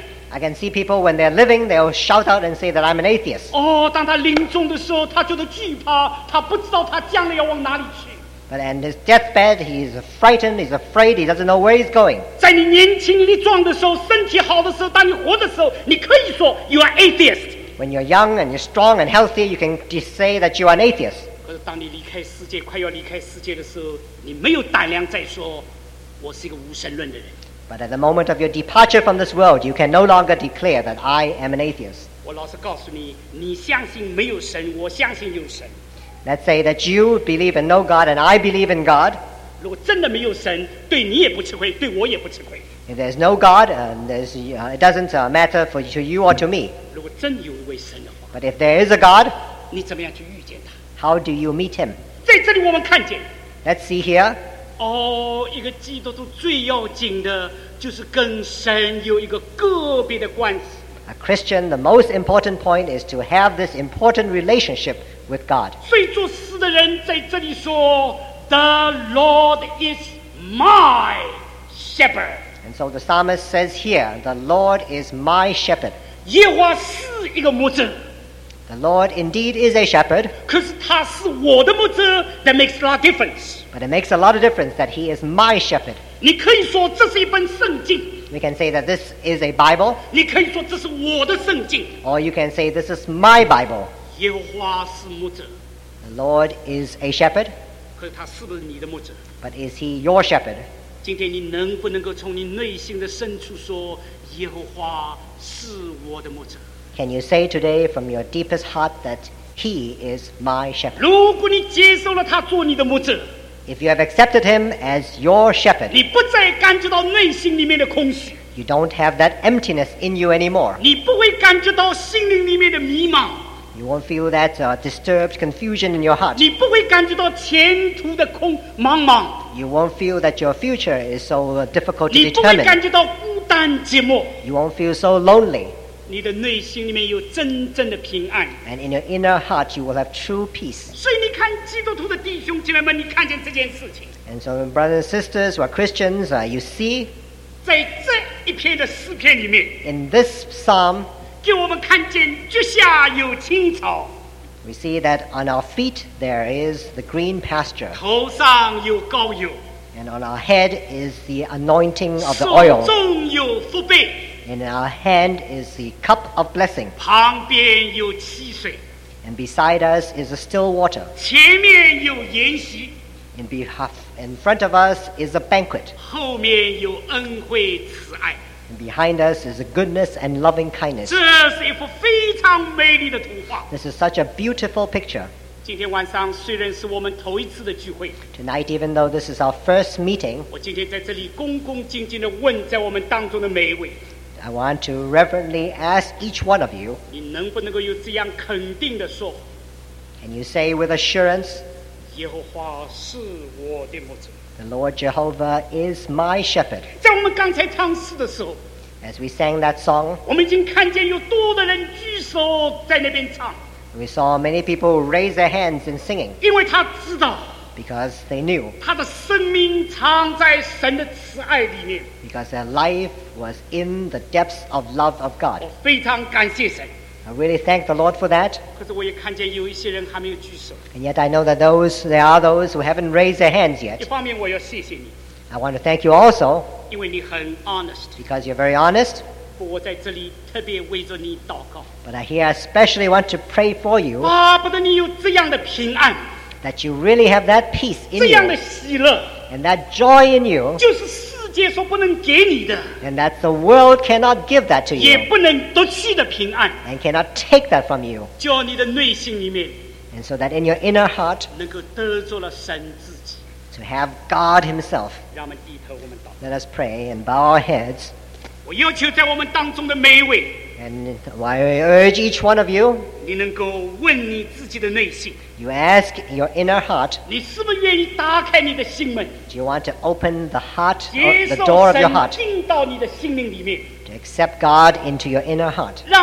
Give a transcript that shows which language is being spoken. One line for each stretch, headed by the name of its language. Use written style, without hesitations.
English: I can see people when they're living, they'll shout out and say that I'm an atheist.
Chinese: Oh, 当他临终的时候，他觉得惧怕，他不知道他将来要往哪里去。
English: But in his deathbed, he is frightened, he's afraid, he doesn't know where he's going.
Chinese: 在你年轻力壮的时候，身体好的时候，当你活的时候，你可以说
English: you are atheist. When you're young and you're strong and healthy, you can just say that you are an atheist.
Chinese: 可是当你离开世界，快要离开世界的时候，你没有胆量再说我是一个无神论的人。
English: But at the moment of your departure from this world, you can no longer declare that I am an atheist.
Chinese: 我老实告诉你，你相信没有神，我相信有神。
English: Let's say that you believe in no God and I believe in God.
Chinese: 如果真的没有神，对你也不吃亏，对我也不吃亏。
English: If there's no God, it doesn't matter for to you or to me.
Chinese: 如果真有一位神的话，
English: But if there is a God,
Chinese: 你怎么样去遇见他？
English: How do you meet him?
Chinese: 在这里我们看见。
English: Let's see here.
Chinese: 哦，一个基督徒最要紧的就是跟神有一个个别的关系。
English: A Christian, the most important point is to have this important relationship with God.
Chinese: 所以作诗的人在这里说
English: The Lord is my shepherd. And so the psalmist says here, the Lord is my shepherd.
Chinese: 耶和华是一个牧者。
English: The Lord indeed is a shepherd.
Chinese: 可是他是我的牧者,
English: that makes a lot of difference. But it makes a lot of difference that he is my shepherd.
Chinese: 你可以说这是一本圣经。
English: We can say that this is a Bible.
Chinese: 你可以说这是我的圣经。
English: Or you can say this is my Bible.
Chinese: 耶和华是牧者。
English: The Lord is a shepherd.
Chinese: 可是他是不是你的牧者?
English: But is he your shepherd?
Chinese: 今天你能不能够从你内心的深处说耶和华是我的牧者?
English: Can you say today from your deepest heart that he is my shepherd?
Chinese: 如果你接受了他做你的牧者,
English: If you have accepted him as your shepherd,
Chinese: 你不再感觉到内心里面的空虚,
English: You don't have that emptiness in you anymore.
Chinese: 你不会感觉到心灵里面的迷茫,
English: You won't feel that disturbed confusion in your heart.
Chinese: 你不会感觉到前途的空茫茫,
English: You won't feel that your future is so difficult to determine.
Chinese: 你不会感觉到孤单寂寞,
English: You won't feel so lonely.
Chinese: 你的内心里面有真正的平安
English: And in your inner heart you will have true peace
Chinese: 所以你看基督徒的弟兄姐妹们你看见这件事情
English: And so brothers and sisters who are Christians you see
Chinese: 在这一篇的诗篇里面
English: In this psalm
Chinese: 给我们看见脚下有青草
English: We see that on our feet there is the green pasture
Chinese: 头上有膏油
English: And on our head is the anointing of the oil
Chinese: 手中有福杯
English: In our hand is the cup of blessing.
Chinese: 旁边有溪水。
English: And beside us is a still water.
Chinese: 前面有筵席。
English: In front of us is a banquet.
Chinese: 后面有恩惠慈爱。
English: And behind us is a goodness and loving kindness.
Chinese: 这是一幅非常美丽的图画。
English: This is such a beautiful picture.
Chinese: 今天晚上虽然是我们头一次的聚会。
English: Tonight, even though this is our first meeting,
Chinese: 我今天在这里恭恭敬敬地问在我们当中的每一位。
English: I want to reverently ask each one of you,
Chinese: 你能不能够有这样肯定的说,
English: Can you say with assurance,
Chinese: 耶和华是我的牧者,
English: The Lord Jehovah is my shepherd.
Chinese: 在我们刚才唱诗的时候,
English: As we sang that song,
Chinese: 我们已经看见有多的人举手在那边唱,
English: We saw many people raise their hands in singing.
Chinese: 因为他知道,
English: Because they knew,
Chinese: 他的生命藏在神的慈爱里面,
English: Because their life was in the depths of love of God.
Chinese: 我非常感谢神。
English: I really thank the Lord for that.
Chinese: 可是我也看见有一些人还没有举手。
English: And yet I know that there are those who haven't raised their hands yet.
Chinese: 一方面我要谢谢你。
English: I want to thank you also.
Chinese: 因为你很 honest.
English: Because you're very honest.
Chinese: 不，我在这里特别为着你祷告。
English: But I here especially want to pray for you.
Chinese: 巴不得你有这样的平安。
English: That you really have that peace in
Chinese: 这样的喜乐。
English: And that joy in you.
Chinese: 就是接受不能给你的
English: and that the world cannot give that to you
Chinese: 也不能夺去的平安
English: and cannot take that from you
Chinese: 叫你的内心里面
English: and so that in your inner heart
Chinese: 能够得着了神自己
English: to have God himself
Chinese: 让我们低头我们祷告
English: let us pray and bow our heads
Chinese: 我要求在我们当中的每一位
English: and I urge each one of you
Chinese: 你能够问你自己的内心
English: you ask your inner heart
Chinese: 你是不是愿意打开你的心门
English: Do you want to open the heart, the door of your heart? To accept God into your inner heart.